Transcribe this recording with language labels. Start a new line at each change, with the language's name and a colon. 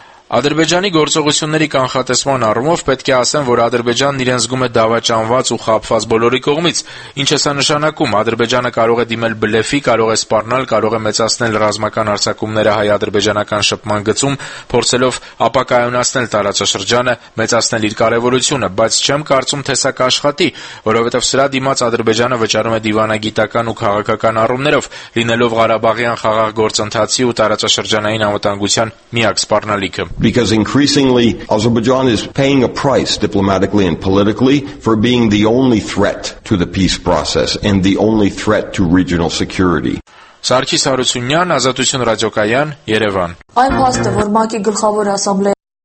Armenian: Ադրբեջանի գործողությունների կանխատեսման առումով պետք է ասեմ, որ Ադրբեջանն իրեն զգում է դավաճանված ու խափված բոլորի կողմից, ինչը սա նշանակում, Ադրբեջանը կարող է դիմել բլեֆի, կարող է սպառնալ, կարող է մեծացնել ռազմական արձակումները հայ-ադրբեջանական շփման գծում, փորձելով ապակայունացնել տարածաշրջանը, մեծացնել իր կարևորությունը, բայց չեմ կարծում, թե սա կաշխատի, որովհետև սրա դիմաց Ադրբեջանը վճարում է դիվանագիտական ու քաղաքական առումներով, լինելով Ղարաբաղյան խաղաղ գործընթացի ու տարածաշրջանային անվտանգության միակ սպառնալիքը։
English: Because increasingly Azerbaijan is paying a price diplomatically and politically for being the only threat to the peace process and the only threat to regional security.
Armenian: Սարգիս Հարությունյան, Ազատություն ռադիոկայան, Երևան։ Այն փաստը, որ ՄԱԿ-ի գլխավոր ասամբլեա